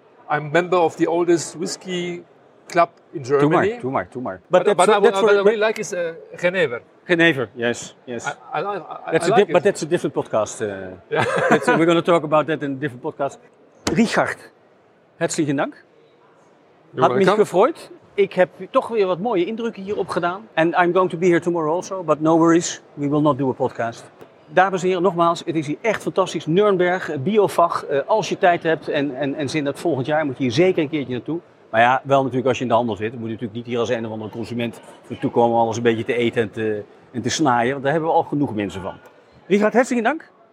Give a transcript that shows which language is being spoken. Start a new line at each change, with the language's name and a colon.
English: I'm member of the oldest whiskey club in Germany. Too much. But what I really like is Genever. Genever, yes, yes. But that's a different podcast. we're going to talk about that in a different podcast.
German: Richard, herzlichen Dank. Had mich gefreut.
Dutch: Ik heb toch weer wat mooie indrukken hierop gedaan.
English: And I'm going to be here tomorrow also, but no worries, we will not do a podcast.
Dutch: Dames en heren, nogmaals, het is hier echt fantastisch. Nürnberg, Biofag, als je tijd hebt en zin hebt, volgend jaar moet je hier zeker een keertje naartoe. Maar ja, wel natuurlijk als je in de handel zit. Dan moet je natuurlijk niet hier als een of andere consument naartoe komen om alles een beetje te eten en te snaaien. Want daar hebben we al genoeg mensen van. Richard, hartstikke dank.